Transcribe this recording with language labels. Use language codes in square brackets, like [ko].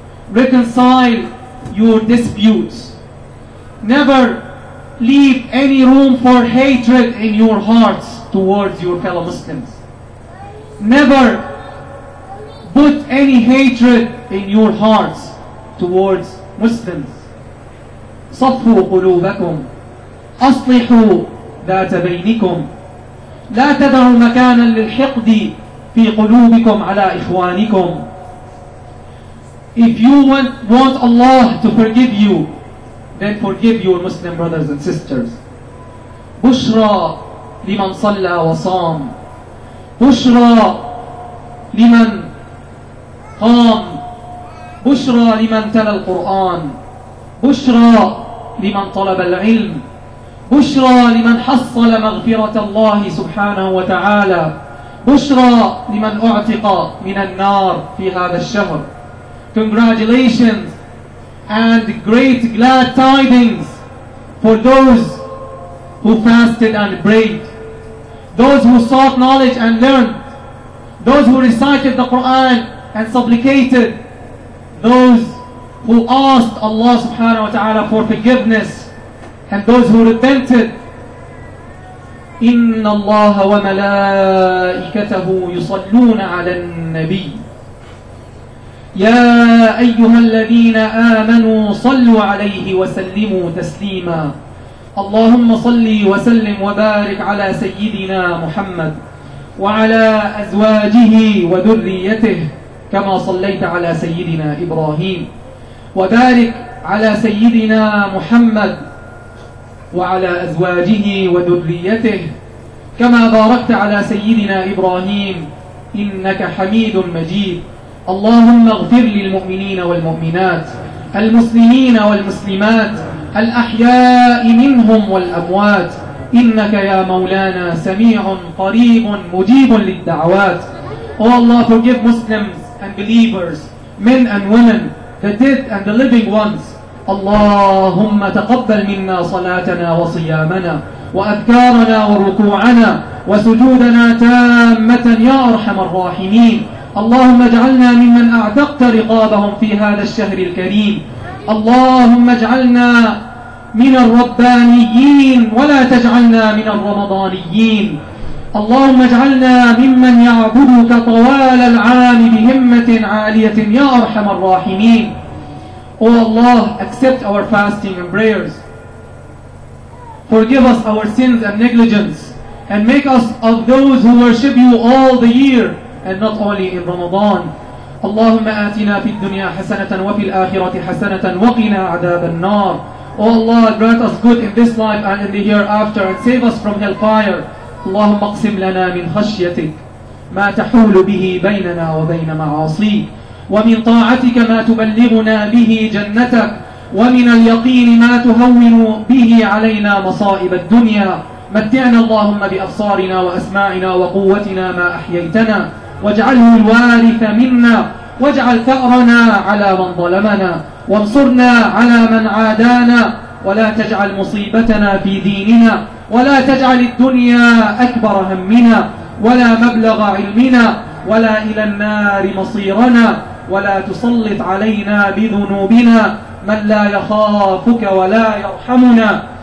[en] Reconcile your disputes. Never leave any room for hatred in your hearts towards your fellow Muslims. Never put any hatred in your hearts towards Muslims. [ar] صفوا قلوبكم أصلحوا ذات بينكم لا تدعوا مكانا للحقد في قلوبكم على إخوانكم. [en] If you want Allah to forgive you, then forgive your Muslim brothers and sisters. [ar] بشرى لمن صلى وصام بشرى لمن قام بشرى لمن تلا القرآن بشرى لمن طلب العلم بشرى لمن حصل مغفرة الله سبحانه وتعالى بشرى لمن اعتق من النار في هذا الشهر. [en] Congratulations and great glad tidings for those who fasted and prayed, those who sought knowledge and learned, those who recited the Quran and supplicated, those who asked Allah subhanahu wa ta'ala for forgiveness, and those who repented. [ar] إِنَّ اللَّهَ وَمَلَائِكَتَهُ يُصَلُّونَ عَلَى النَّبِيِّ يَا أَيُّهَا الَّذِينَ آمَنُوا صَلُّوا عَلَيْهِ وَسَلِّمُوا تَسْلِيمًا اللهم صلِّ وسلِّم وبارِك على سيدنا محمد وعلى أزواجه وذريته كما صليت على سيدنا إبراهيم وبارك على سيدنا محمد وعلى أزواجه وذريته كما باركت على سيدنا إبراهيم إنك حميد مجيد. اللهم اغفر للمؤمنين والمؤمنات المسلمين والمسلمات الأحياء منهم والأموات إنك يا مولانا سميع قريب مجيب للدعوات. [en] Oh Allah, forgive Muslims and believers, men and women, the dead and the living ones. [ar] اللهم تقبل منا صلاتنا وصيامنا وأذكارنا وركوعنا وسجودنا تامة يا أرحم الراحمين. اللهم اجعلنا ممن أعتقت رقابهم في هذا الشهر الكريم. اللهم اجعلنا من الربانيين ولا تجعلنا من الرمضانيين. اللهم اجعلنا ممن يعبدك طوال العام بهمة عالية يا أرحم الراحمين. [en] Oh Allah, accept our fasting and prayers. Forgive us our sins and negligence, and make us of those who worship you all the year and not only in Ramadan. [ar] اللهم آتنا في الدنيا حسنة وفي الآخرة حسنة وقنا عذاب النار. [en] Oh Allah, grant us good in this life and in the hereafter, and save us from hellfire. [ar] اللهم اقسم لنا من خشيتك ما تحول به بيننا وبين معاصيك ومن طاعتك ما تبلغنا به جنتك ومن اليقين ما تهون به علينا مصائب الدنيا. متعنا اللهم بأبصارنا وأسماعنا وقوتنا ما أحييتنا واجعله الوارث منا واجعل ثأرنا على من ظلمنا وانصرنا على من عادانا ولا تجعل مصيبتنا في ديننا ولا تجعل الدنيا أكبر همنا ولا مبلغ علمنا ولا إلى النار مصيرنا ولا تسلط علينا بذنوبنا من لا يخافك ولا يرحمنا.